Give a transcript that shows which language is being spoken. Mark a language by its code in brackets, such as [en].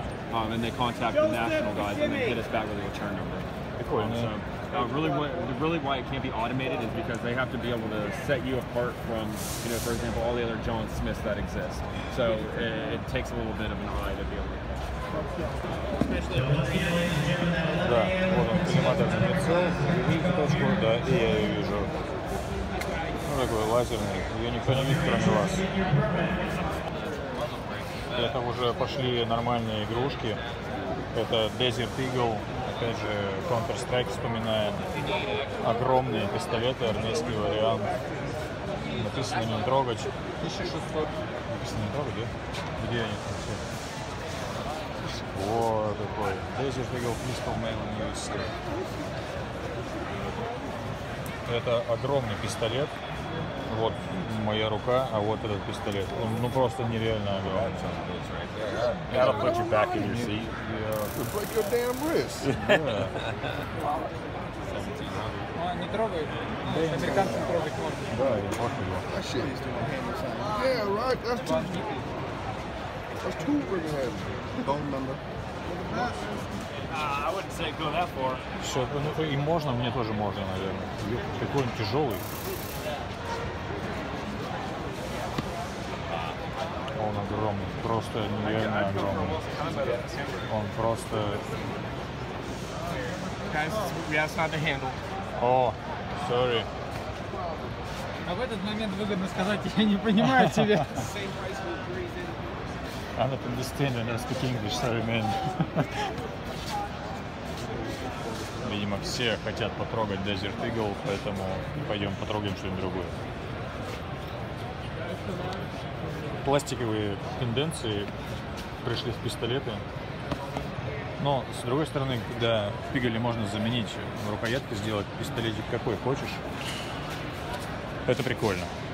[en] And then they contact the national guys and they hit us back with a return number. Cool, so Really why it can't be automated is because they have to be able to set you apart from, you know, for example, all the other John Smiths that exist. So it takes a little bit of an eye to be able to catch. [ru] Да, вот он, коллиматор прицел, видит точку, да, и я ее вижу. Ну, такой лазерный, ее никто не видит, кроме вас. Это уже пошли нормальные игрушки. Это Desert Eagle, опять же, Counter-Strike вспоминаем. Огромные пистолеты, армейский вариант. Написано «Не трогать». 1600. Написано «Не трогать», да? Где они там все? Вот такой. [en] Desert Eagle Pistol Mail News. [ru] Это огромный пистолет. Вот моя рука, а вот этот пистолет. Он ну просто нереально огромный. [en] That'll put you back in your seat. Yeah. You break your damn wrist. [ru] Не трогай. Американцы трогать можно. [en] Yeah, right. That's two freaking hands. Don't remember. I wouldn't say go that far. [ru] Все, ну и можно, мне тоже можно, наверное. Какой он тяжелый. Он огромный, просто нереально огромный. Он просто... [en] Guys, we have not the handle. Oh, sorry. [ru] А в этот момент выгодно сказать, я не понимаю тебя. [en] I don't understand when I speak English, sorry, man. [ru] Видимо, все хотят потрогать Desert Eagle, поэтому пойдем потрогаем что-нибудь другое. Пластиковые тенденции пришли в пистолеты. Но, с другой стороны, когда в пигале можно заменить рукоятки, сделать пистолетик какой хочешь, это прикольно.